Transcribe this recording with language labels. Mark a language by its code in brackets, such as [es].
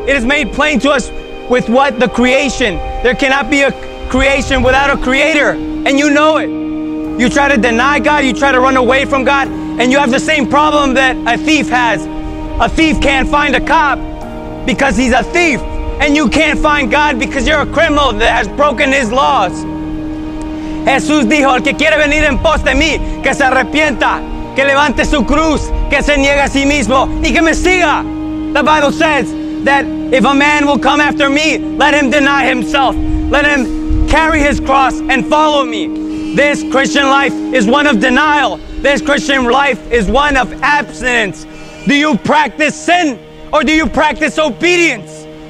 [en] It is made plain to us with what the creation. There cannot be a creation without a creator, and you know it. You try to deny God, you try to run away from God, and you have the same problem that a thief has. A thief can't find a cop because he's a thief, and you can't find God because you're a criminal that has broken his laws. [es] Jesús dijo, el que quiere venir en pos de mí, que se arrepienta, que levante su cruz, que se niegue a sí mismo, y que me siga. [en] The Bible says that if a man will come after me, let him deny himself. Let him carry his cross and follow me. This Christian life is one of denial. This Christian life is one of abstinence. Do you practice sin or do you practice obedience?